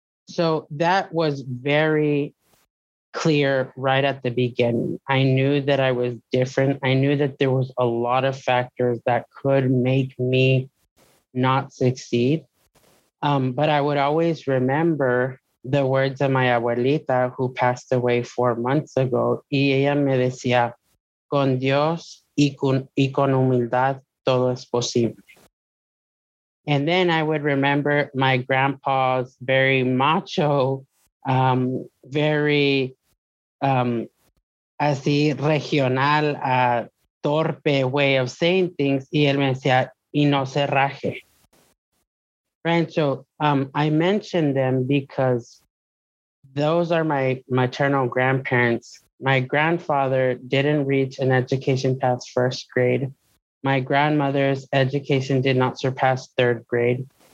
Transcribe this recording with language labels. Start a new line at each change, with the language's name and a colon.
English: So that was very clear right at the beginning. I knew that I was different. I knew that there was a lot of factors that could make me not succeed. But I would always remember the words of my abuelita who passed away 4 months ago.
Spanish: Y ella me decía, con Dios y con humildad, todo es posible. And then I would remember my grandpa's very macho, very así regional, a torpe
English: way of saying things,
Spanish: y él me decía, y no se raje.
English: Right, so I mentioned them because those are my maternal grandparents. My grandfather didn't reach an education past first grade. My grandmother's education did not surpass third grade.